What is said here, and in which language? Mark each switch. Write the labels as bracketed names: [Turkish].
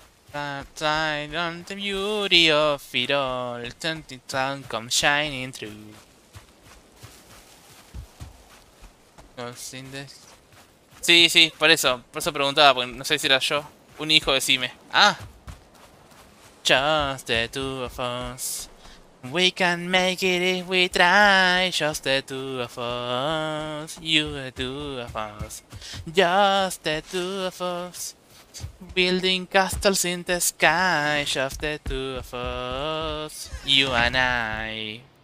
[English] The beauty of it all, the sun comes shining through. [Spanish] Sí, sí, por eso preguntaba, porque no sé si era yo. Un hijo, decime. [English] Ah, just the two of us. We can make it if we try, just the two of us, you the two of us, just the two of us, building castles in the sky, just the two of us, you and I.